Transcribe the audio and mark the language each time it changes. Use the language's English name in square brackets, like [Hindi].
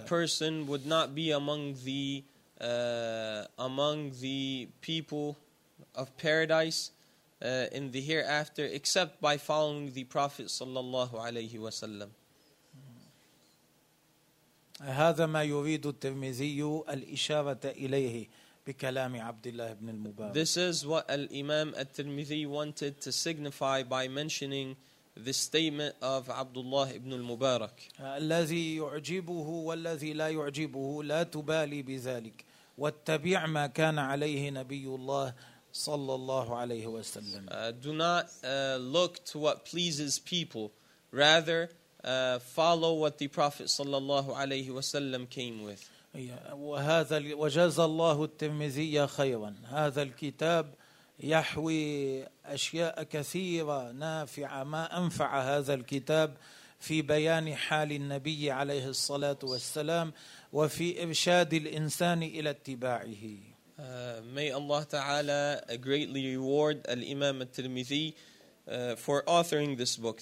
[English] A person would not be among the among the people of paradise in the hereafter, except by following the Prophet sallallahu alayhi wa sallam. [Arabic] هذا ما يريد الترمذي الإشارة إليه بكلام عبد الله بن المبارك. [English] This is what Imam al-Tirmidhi wanted to signify by mentioning the statement of Abdullah ibn al-Mubarak. [Arabic] الذي يعجبه والذي لا يعجبه لا تبالي بذلك واتبع ما كان عليه نبي الله صلى الله عليه وسلم. [English] Do not look to what pleases people, rather follow what the Prophet sallallahu alayhi wa sallam came with. [Arabic] وهذا وجزى الله الترمذي خيرا. هذا الكتاب يحوي أشياء كثيرة نافعة. ما أنفع هذا الكتاب في بيان حال النبي عليه الصلاة والسلام وفي إرشاد الإنسان إلى اتباعه. [English] May Allah Ta'ala greatly reward Al-Imam al-Tirmidhi for authoring this book.